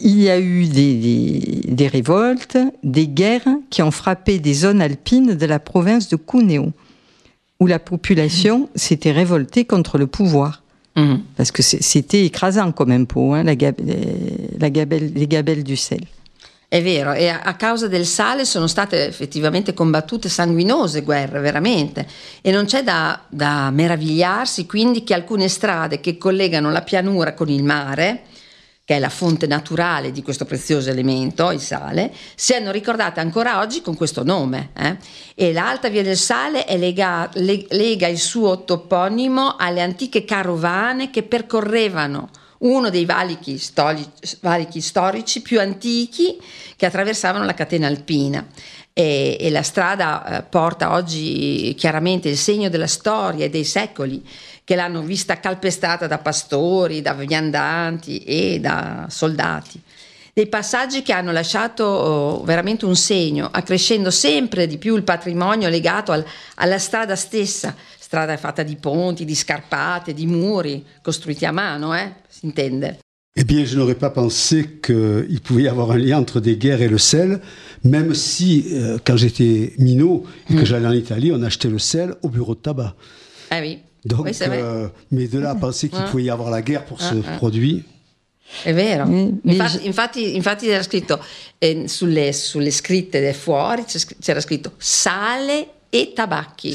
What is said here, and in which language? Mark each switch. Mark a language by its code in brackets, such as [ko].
[fr] Il y a eu des révoltes, des guerres qui ont frappé des zones alpines de la province de Cuneo, où la population s'était révoltée contre le pouvoir. Parce que c'était écrasant comme impôt, hein, les gabelles du sel. [it] È vero, e a causa del sale sono state effettivamente combattute sanguinose guerre, veramente. E non c'è da meravigliarsi quindi che alcune strade che collegano la pianura con il mare, che è la fonte naturale di questo prezioso elemento, il sale, siano ricordate ancora oggi con questo nome. E l'Alta Via del Sale lega il suo toponimo alle antiche carovane che percorrevano uno dei valichi storici più antichi che attraversavano la catena alpina. E la strada porta oggi chiaramente il segno della storia e dei secoli che l'hanno vista calpestata da pastori, da viandanti e da soldati. Dei passaggi che hanno lasciato veramente un segno, accrescendo sempre di più il patrimonio legato alla strada stessa, strada fatta di ponti, di scarpate, di muri, costruiti a mano, si intende. [fr] Eh bien, je n'aurais pas pensé qu'il pouvait y avoir un lien entre des guerres et le sel, même si, quand j'étais minot et que j'allais en Italie, on achetait le sel au bureau de tabac. Ah oui. Donc, oui, c'est vrai. Mais de là à penser qu'il pouvait y avoir la guerre pour ce produit. [it] È vero, infatti c'era scritto sulle scritte del fuori, c'era scritto sale e tabacchi.